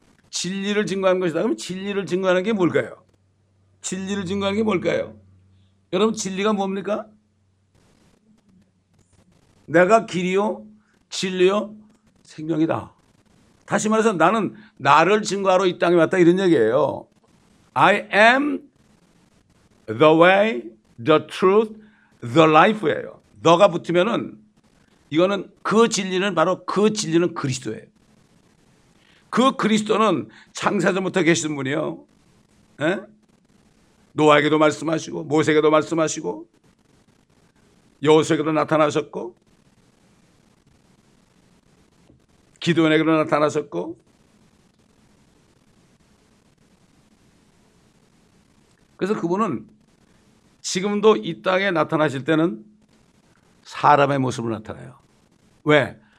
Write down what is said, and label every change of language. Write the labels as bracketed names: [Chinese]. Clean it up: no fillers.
[Korean] 진리를 증거하는 것이다. 그럼 진리를 증거하는 게 뭘까요? 진리를 증거하는 게 뭘까요? 여러분, 진리가 뭡니까? 내가 길이요, 진리요, 생명이다. 다시 말해서 나는 나를 증거하러 이 땅에 왔다 이런 얘기예요. [English] I am the way, the truth, the life예요. [Korean] 너가 붙으면은 이거는 그 진리는 바로 그 진리는 그리스도예요. 그 그리스도는 창세전부터 계신 분이요. 에? 노아에게도 말씀하시고 모세에게도 말씀하시고 여호수아에게도 나타나셨고 기도원에게도 나타나셨고 그래서 그분은 지금도 이 땅에 나타나실 때는 사람의 모습으로 나타나요. 왜?